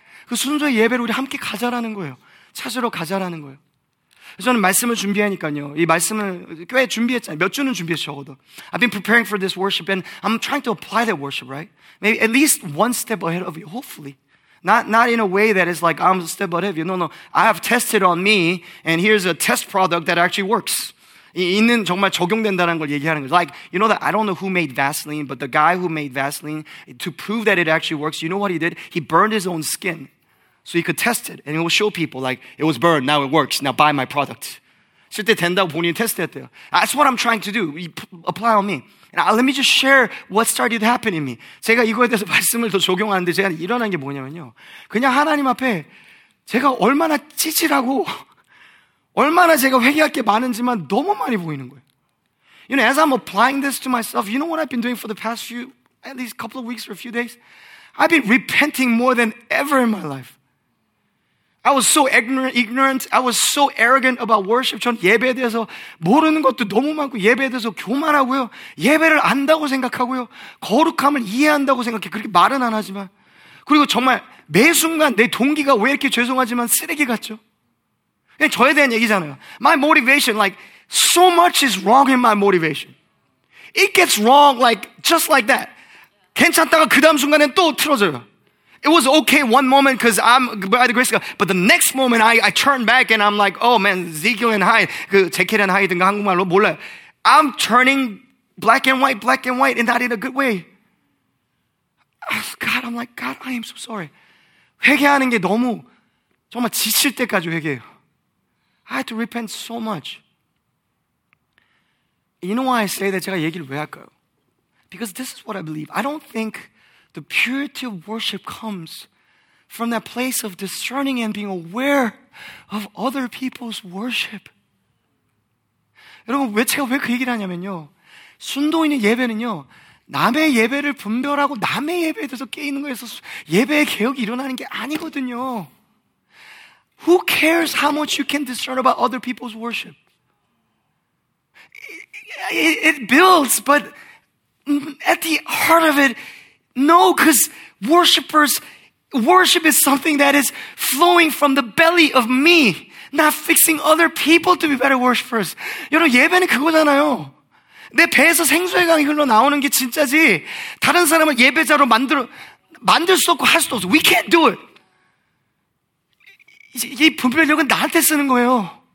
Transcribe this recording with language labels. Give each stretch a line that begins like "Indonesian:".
Korean: 그 순종의 예배를 우리 함께 가자라는 거예요. 찾으러 가자라는 거예요. 저는 말씀을 준비하니까요. 이 말씀을 꽤 준비했잖아요. 몇 주는 준비했죠, 저도.
English: I've been preparing for this worship and I'm trying to apply that worship, right? Maybe at least one step ahead of you, hopefully. Not in a way that is like, I'm a step ahead of you. No. I have tested on me and here's a test product that actually works.
Korean: 있는 정말 적용된다는 걸 얘기하는 거죠.
English: Like, you know that I don't know who made Vaseline, but the guy who made Vaseline, to prove that it actually works, you know what he did? He burned his own skin so he could test it. And it will show people, like, it was burned, now it works, now buy my product.
Korean: 실제 된다고 본인이 테스트했대요.
English: That's what I'm trying to do. Apply on me. Now, let me just share what started to happen in me.
Korean: 제가 이거에 대해서 말씀을 더 적용하는데 제가 일어난 게 뭐냐면요. 그냥 하나님 앞에 제가 얼마나 찌질하고 얼마나 제가 회개할 게 많은지만 너무 많이 보이는 거예요.
English: You know, as I'm applying this to myself, you know what I've been doing for the past few, at least a couple of weeks or a few days? I've been repenting more than ever in my life. I was so ignorant. I was so arrogant about worship.
Korean: 전 예배에 대해서 모르는 것도 너무 많고 예배에 대해서 교만하고요. 예배를 안다고 생각하고요. 거룩함을 이해한다고 생각해. 그렇게 말은 안 하지만. 그리고 정말 매 순간 내 동기가 왜 이렇게 죄송하지만 쓰레기 같죠. 그냥 저에 대한 얘기잖아요.
English: My motivation, like, so much is wrong in my motivation. It gets wrong, like, just like that.
Korean: 괜찮다가 그 다음 순간엔 또 틀어져요.
English: It was okay one moment because I'm by the grace of God. But the next moment, I turn back and I'm like, oh man, Ezekiel and Hyde,
Korean: 그 제켈 and Hyde인가 한국말로 몰라요.
English: I'm turning black and white, and not in a good way. God, I'm like, God, I am so sorry.
Korean: 회개하는 게 너무, 정말 지칠 때까지 회개해요.
English: I had to repent so much. You know why I say that?
Korean: 제가 얘기를 왜 할까요?
English: Because this is what I believe. I don't think the purity of worship comes from that place of discerning and being aware of other people's worship.
Korean: 여러분, 제가 왜 그 얘기를 하냐면요. 순도 있는 예배는요. 남의 예배를 분별하고 남의 예배에 대해서 깨이는 거에서 예배의 개혁이 일어나는 게 아니거든요.
English: Who cares how much you can discern about other people's worship? It builds, but at the heart of it, no, because worship is something that is flowing from the belly of me, not fixing other people to be better worshipers.
Korean: 여러분, 예배는 그거잖아요. 내 배에서 생수의 강이 흘러나오는 게 진짜지. 다른 사람을 예배자로 만들 수 없고 할 수도 없어.
English: We can't do it.
Korean: 이 분별력은 나한테 쓰는 거예요.